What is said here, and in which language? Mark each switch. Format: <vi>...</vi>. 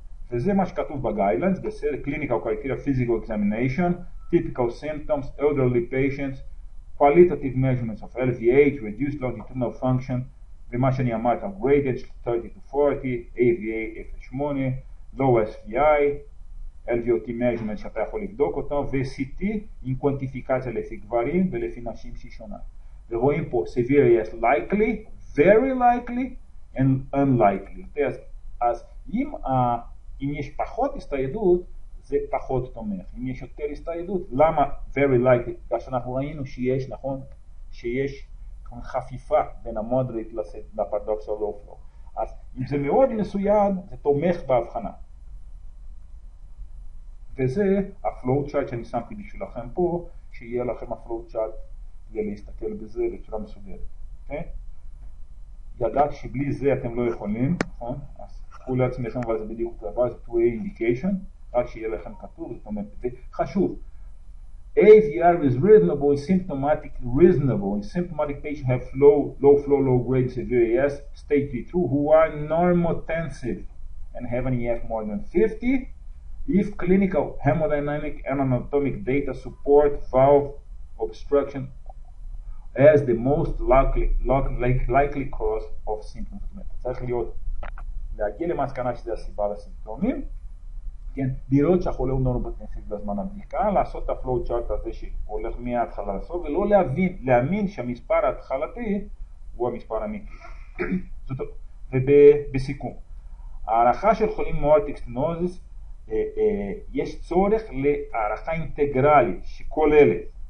<he>וזה מה שכתוב בגיילנס, בסדר,</he> <en>clinical criteria, physical examination, typical symptoms, elderly patients, qualitative measurements of LVH, reduced longitudinal function,</en> <he>ומה שאני אמרת, upgraded 30-40, AVA 0.8, low SVI, LVOT measurement שאתה יכול לבדוק אותו, ו-CT עם קוונטיפיקציה לפי גברים ולפי נשים שהיא שונה. ורואים פה</he> <en>severe AS likely, very likely and unlikely.</en> <he>אז אם יש פחות הסתיידות, זה פחות תומך. אם יש יותר הסתיידות, למה</he> <en>very likely?</en> <he>כך שאנחנו ראינו שיש, נכון? שיש חפיפה בין המודרית לפרדוקס או לא פלוק. אז אם זה מאוד מסוים, זה תומך בהבחנה. וזה הפלואו צ'אט שאני שמתי בשבילכם פה, שיהיה לכם הפלואו צ'אט כדי להסתכל בזה בצורה מסודרת. Okay? ידעת שבלי זה אתם לא יכולים, נכון? אז תקחו לעצמכם אבל זה בדיוק דבר, זה 2A indication, רק שיהיה לכם כתוב, זאת אומרת, זה חשוב.</he> <en>AVR is reasonable in symptomatic, reasonable in symptomatic patients have low, low flow, low grade, severe AS, state V2, who are normotensive and have an EF more than 50, if clinical hemodynamic and anatomic data support valve obstruction as the most likely cause of symptoms.</en> <he>צריך להיות, להגיע למסקנה שזה הסיבה לסימפטומים, כן, לראות שהחולה הוא נורמוטנסיב בזמן הבדיקה, לעשות את הפלואו צ'ארט הזה שהולך מההתחלה לסוף, ולא להבין, להאמין שהמספר ההתחלתי הוא המספר האמיתי. זאת אומרת, ובסיכום, הערכה של חולים מאורטיק סטנוזיס, יש צורך להערכה אינטגרלית שכוללת</he>